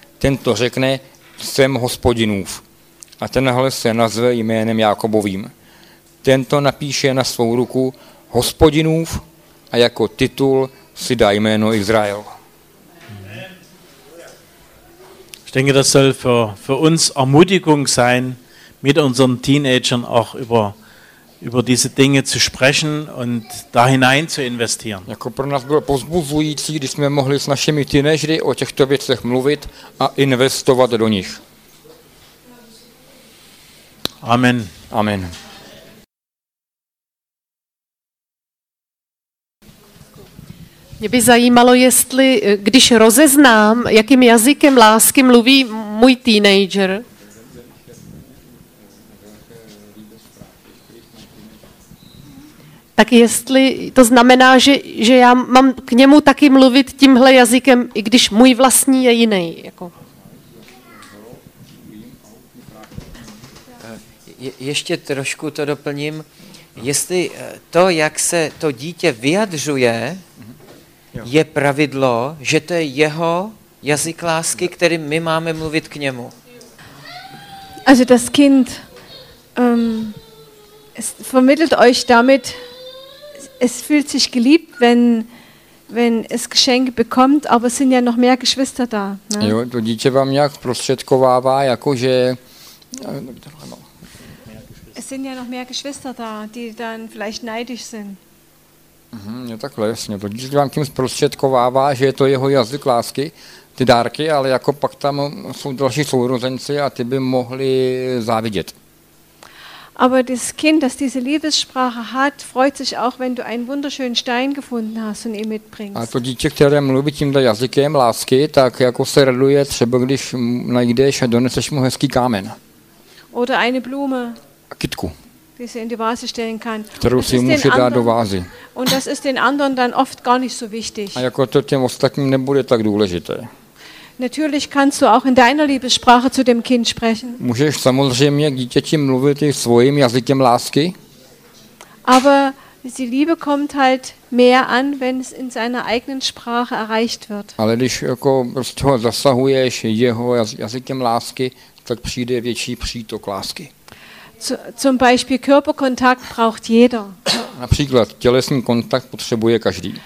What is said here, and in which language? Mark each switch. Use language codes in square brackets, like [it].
[cs] Tento řekne, jsem Hospodinův. A tenhle se nazve jménem Jákobovým. Tento napíše na svou ruku Hospodinův a jako titul si dá jméno Izrael. [de] Ich denke, das soll für uns Ermutigung sein, mit unseren Teenagern auch über diese Dinge zu sprechen und da hinein zu investieren. [cs] Jako pro nás bylo pozbuzující, když jsme mohli s našimi teenagery o těchto věcech mluvit a investovat do nich. Amen. Amen. Mě by zajímalo, jestli, když rozeznám, jakým jazykem lásky mluví můj teenager. Tak jestli to znamená, že já mám k němu taky mluvit tímhle jazykem, i když můj vlastní je jiný. Jako. Ještě trošku to doplním. Jestli to, jak se to dítě vyjadřuje, je pravidlo, že to je jeho jazyk lásky, který my máme mluvit k němu. [de] Also das Kind es vermittelt euch damit, es fühlt sich geliebt, wenn es Geschenke bekommt, aber es sind ja noch mehr Geschwister da. [cs] Ne? Jo, to dítě vám nějak prostředkovává, jakože... [de] Es sind ja noch mehr Geschwister da, die dann vielleicht neidisch sind. [cs] Jo, takhle, jasně. To dítě vám tím zprostředkovává, že je to jeho jazyk lásky, ty dárky, ale jako pak tam jsou další sourozenci a ty by mohli závidět. [de] Aber das Kind, das diese Liebessprache hat, freut sich auch, wenn du einen wunderschönen Stein gefunden hast und ihn mitbringst. [cs] A to dítě, které mluví tímto jazykem lásky, tak jako se raduje třeba, když najdeš a doneseš mu hezký kámen. [de] Oder eine Blume. [cs] A kytku. [de] Die sie in die Vase stellen kann. [cs] Kterou si může dát do vázy. [de] Und das ist den anderen dann oft gar nicht so wichtig. [cs] A jako to těm ostatním nebude tak důležité. [de] Natürlich kannst du auch in deiner Liebessprache zu dem Kind sprechen. [cs] Můžeš samozřejmě dítěti mluvit i svým jazykem lásky. [de] Aber die Liebe kommt halt mehr an, wenn es in seiner eigenen Sprache erreicht wird. [cs] Ale když jako prostě zasahuješ jeho jazykem lásky, tak přijde větší přítok lásky. [de] Zum Beispiel Körperkontakt braucht jeder. [cs] Například tělesný kontakt potřebuje každý.